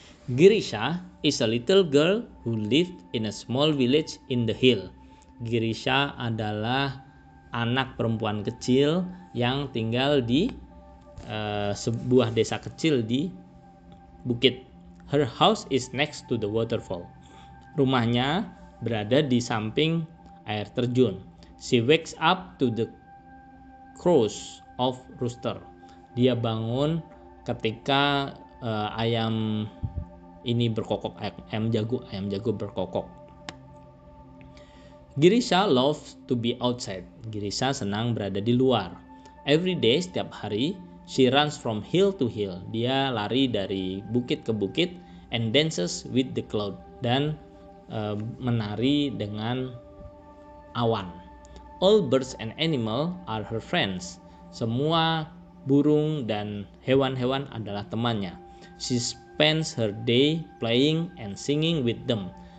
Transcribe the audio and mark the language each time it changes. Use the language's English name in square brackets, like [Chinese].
[English] Girisha is a little girl who lived in a small village in the hill. [Indonesian] Girisha adalah anak perempuan kecil yang tinggal di sebuah desa kecil di bukit. [English] Her house is next to the waterfall. [Indonesian] Rumahnya berada di samping air terjun. [English] She wakes up to the crows of rooster. [Indonesian] Dia bangun ketika ayam ini berkokok, ayam jago berkokok. [English] Girisha loves to be outside. [Indonesian] Girisha senang berada di luar. [English] Every day, [Indonesian] setiap hari, [English] she runs from hill to hill. [Indonesian] Dia lari dari bukit ke bukit [English] and dances with the cloud. [Indonesian] Dan menari dengan awan. [English] All birds and animals are her friends. [Indonesian] Semua burung dan hewan-hewan adalah temannya. [English] She spends her day playing and singing with them.